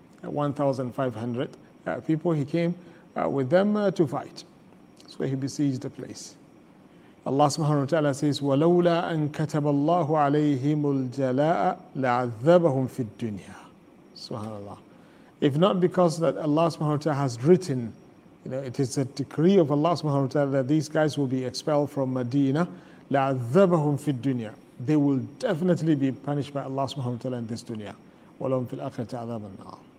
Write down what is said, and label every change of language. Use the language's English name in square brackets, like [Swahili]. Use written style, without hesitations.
[English] 1,500 people, he came with them to fight. So he besieged the place. Allah subhanahu wa ta'ala says, [Arabic] وَلَوْلَا أَن كَتَبَ اللَّهُ عَلَيْهِمُ الْجَلَاءَ لَعَذَّبَهُمْ فِي الدُّنْيَا. [English] Subhanallah. If not because that Allah subhanahu wa ta'ala has written, you know, it is a decree of Allah subhanahu wa ta'ala that these guys will be expelled from Medina, [Arabic] لَعَذَّبَهُمْ فِي الدُّنْيَا. [English] They will definitely be punished by Allah subhanahu wa ta'ala in this dunya. [Arabic] وَلَهُمْ فِي الْآخِرَةِ عَذَابَ النَّارِ.